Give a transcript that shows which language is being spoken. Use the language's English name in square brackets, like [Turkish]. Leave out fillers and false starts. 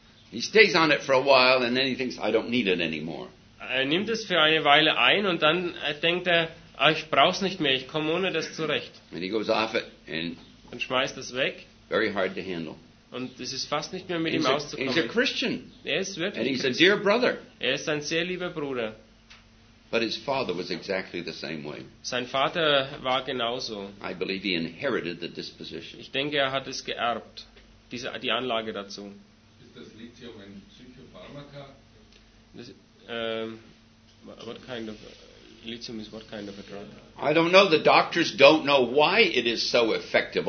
[English] He stays on it for a while and then he thinks, I don't need it anymore. [German] Er nimmt es für eine Weile ein und dann denkt er, ah, ich brauche es nicht mehr, ich komme ohne das zurecht. [English] And he goes off it and [German] dann schmeißt es weg. [English] Very hard to handle. [German] Und es ist fast nicht mehr mit ihm auszukommen. [English] He's a Christian. [German] Er ist wirklich [English] and he's a dear brother. [German] Er ist ein sehr lieber Bruder. [English] But his father was exactly the same way. [German] Sein Vater war genauso. [English] I believe he inherited the disposition. [German] Ich denke, er hat es geerbt, die Anlage dazu. Ist das Lithium ein Psychopharmaka? [English] What kind of lithium is what kind of a drug? I don't know. The doctors don't know why it is so effective.